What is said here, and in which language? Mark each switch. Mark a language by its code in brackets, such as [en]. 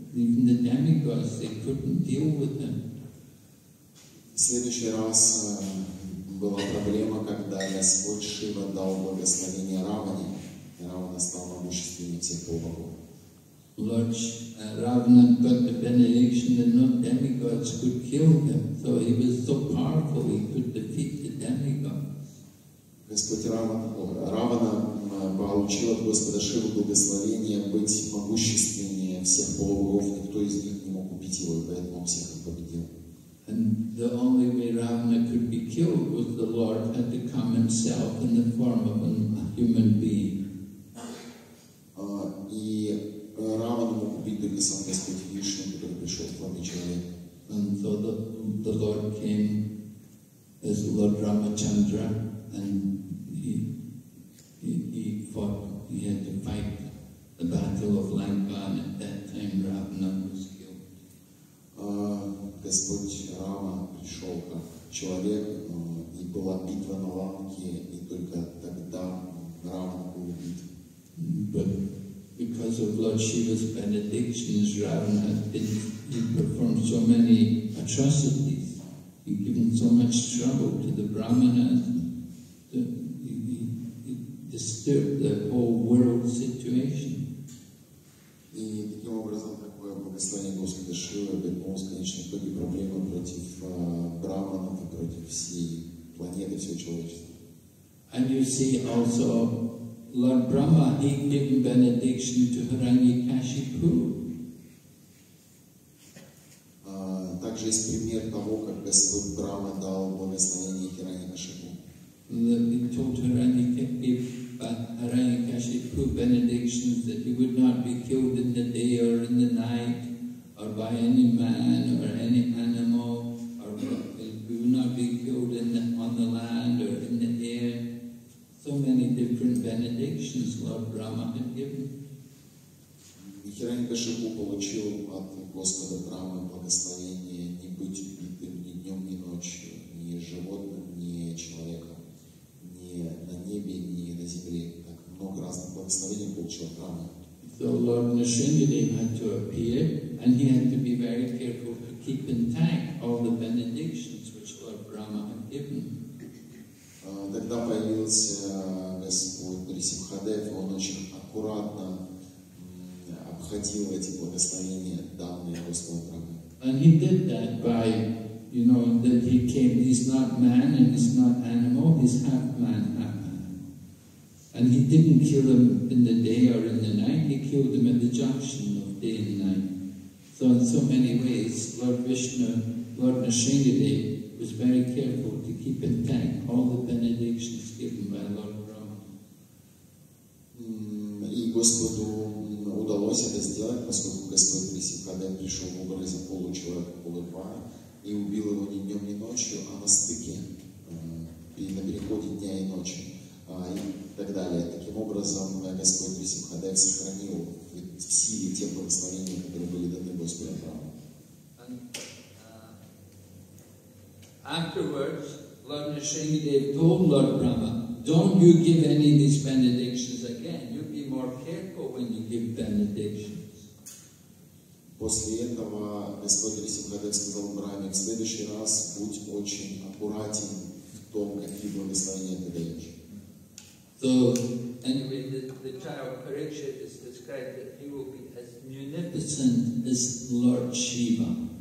[en] Even the demigods, they couldn't deal with him. [ru] Следующий раз была проблема, когда Господь Шива дал благословение Раване, и Равана стал могущественным всех богов. [en] Ravana got the benediction that no demigods could kill him. So he was so powerful, he could defeat the demigods. [ru] Господь Равана получил получил от Господа Шиву благословение быть могущественнее всех полубогов, никто из них не мог убить его, и поэтому он всех победил. [en] And the only way Ravana could be killed was the Lord had to come himself in the form of a human being. [ru] И Равану мог убить только сам Господь Вишну, который пришел в форме человека. [en] And so the Lord came as Lord Ramachandra, and he fought, he had to fight the battle of Lanka, and at that time Ravana was killed. [ru] Господь Рама пришел как человек, и была битва на Ланке, и только тогда Равана был убит. [en] But because of Lord Shiva's benedictions, Ravana has been, he performed so many atrocities. He given so much trouble to the Brahmanas that he disturbed the whole world situation. [ru] И таким образом, такое благословение Господа Шивы обернулось, конечно, в итоге проблемы против Брахманов и против всей планеты, всего человечества. [en] And you see also Lord Brahma, he gave benediction to Hiranyakashipu. [ru] Также есть пример того, как Господь Брама дал благословение Хираньякашипу. [en] He told Hiranyakashipu benedictions that he would not be killed in the day or in the night or by any man or any animal, or he would not be killed on the land or in the air. So many different benedictions Lord Brahma had given. [ru] Хиранькашипу получил от Господа Брамы благословение не быть убитым ни днем, ни ночью, ни животным, ни человеком, ни на небе, ни на земле. Так много разных благословений получил Брама. [en] So Lord Nrsimhadev had to appear, and he had to be very careful to keep intact all the benedictions which Lord Brahma had given. [ru] Тогда появился Господь Нрсимхадев, он очень аккуратно обходил эти благословения, данные Господом Брахмой. [en] And he did that by, you know, that he came, he's not man and he's not animal, he's half man, half animal. And he didn't kill him in the day or in the night, he killed him at the junction of day and night. So in so many ways, Lord Vishnu, Lord Nrsimhadev, was very careful to keep intact all the benedictions given by Lord Brahma. [ru] И Господу удалось это сделать, поскольку Господь Нрсимхадев пришел в образе получеловека, полурва, и убил его ни днем, ни ночью, а на стыке, на переходе дня и ночи, и так далее. Таким образом, Господь Нрсимхадев сохранил в силе те благословения, которые были даны Господу Брахма. [en] Afterwards, Lord Nrsimhadev told Lord Brahma, don't you give any of these benedictions again. You be more careful when you give benedictions. [ru] После этого Господь Нрсимхадев сказал Брахме, в следующий раз будь очень аккуратен в том, какие благословения ты даешь. [en] So, anyway, the child Parikshit is described that he will be as munificent as Lord Shiva.